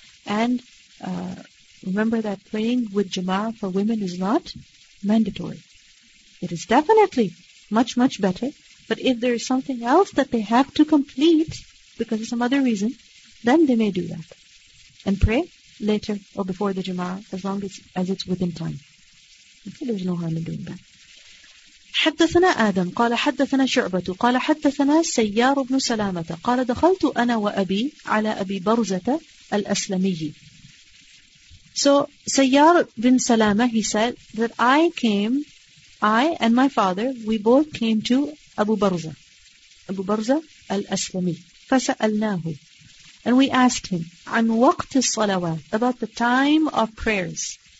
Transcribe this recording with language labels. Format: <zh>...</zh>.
<en>And remember that praying with jama'ah for women is not mandatory. It is definitely much, much better. But if there is something else that they have to complete because of some other reason, then they may do that. And pray later or before the jama'ah as long as it's within time. Okay, there's no harm in doing that.</en> <ar>حدثنا آدم قال حدثنا شعبة قال حدثنا سيار بن سلامة قال دخلت أنا وأبي على أبي برزة الأسلمي.</ar> <en>So, Sayyar bin Salama, he said that I and my father, we both came to Abu Barza. Abu Barza al-Aslami.</en> <ar>فَسَأَلْنَاهُ.</ar> <en>And we asked him,</en> <ar>عَنْ وَقْتِ الصَّلَوَاتِ,</ar> <en>about the time of prayers.</en>